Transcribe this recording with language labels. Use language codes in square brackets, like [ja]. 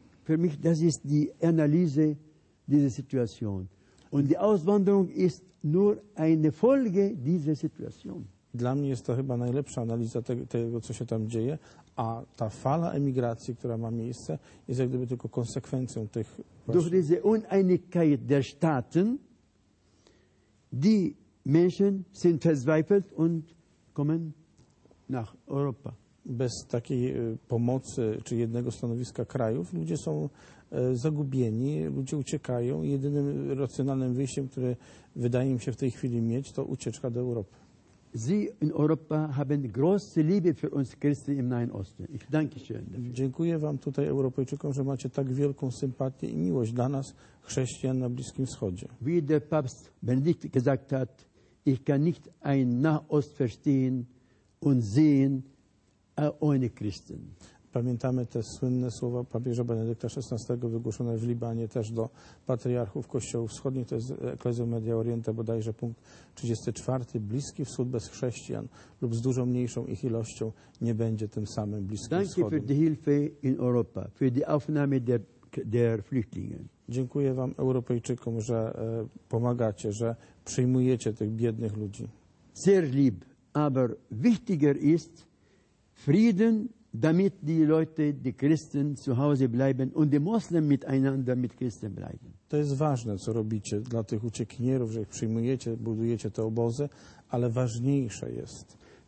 [de] Für mich das ist die Analyse dieser Situation. Und die Auswanderung ist nur eine Folge dieser Situation. [pl] Dla mnie jest to chyba najlepsza analiza tego, co się tam dzieje, a ta fala emigracji, która ma miejsce, jest jak gdyby tylko konsekwencją tych właśnie. [de] Durch diese Uneinigkeit der Staaten, die Menschen sind verzweifelt und kommen nach Europa. [pl] Bez takiej pomocy czy jednego stanowiska krajów ludzie są zagubieni, ludzie uciekają. Jedynym racjonalnym wyjściem, które wydaje mi się w tej chwili mieć, to ucieczka do Europy. [de] Sie in Europa haben große Liebe für uns Christen im Nahen Osten. Ich danke schön dafür. [pl] Dziękuję wam tutaj Europejczykom, że macie tak wielką sympatię i miłość dla nas, chrześcijan na Bliskim Wschodzie. [de] Wie der Papst Benedikt gesagt hat, ich kann nicht ein Nahost verstehen und sehen ohne Christen. [pl] Pamiętamy te słynne słowa papieża Benedykta XVI wygłoszone w Libanie też do patriarchów kościołów wschodnich, to jest Ecclesia Media Orienta, bodajże punkt 34. Bliski Wschód bez chrześcijan lub z dużo mniejszą ich ilością nie będzie tym samym Bliskim Wschodem. [de] Für die Hilfe in Europa, für die Aufnahme der Flüchtlinge. [pl] Dziękuję wam Europejczykom, że pomagacie, że przyjmujecie tych biednych ludzi. [de] Sehr lieb, aber wichtiger ist Frieden, damit die Leute, die Christen zu Hause bleiben und die Moslem miteinander mit Christen bleiben. [pl] To jest ważne, co robicie dla tych uciekinierów, że ich przyjmujecie, budujecie te obozy, ale ważniejsze jest.